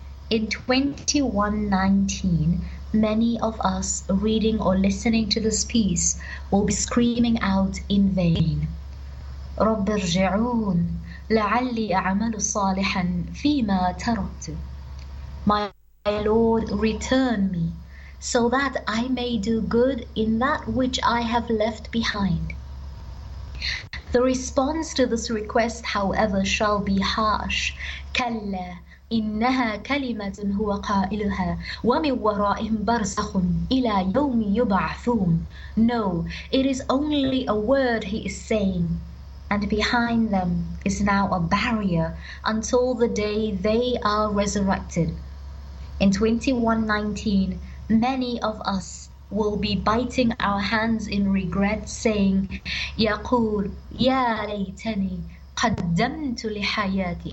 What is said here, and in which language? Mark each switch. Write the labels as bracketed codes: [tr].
[en] In 2119, many of us reading or listening to this piece will be screaming out in vain, [ar] رب ارجعون لعلي أعمل صالحا فيما تركت. [en] My Lord, return me, so that I may do good in that which I have left behind. The response to this request, however, shall be harsh. [ar] كلا إنها كلمة هو قائلها ومن ورائهم برزخ إلى يوم يبعثون. [en] No, it is only a word he is saying, and behind them is now a barrier until the day they are resurrected. In 2119, many of us will be biting our hands in regret, saying, [ar] يقول يا ليتني قدمت لحياتي.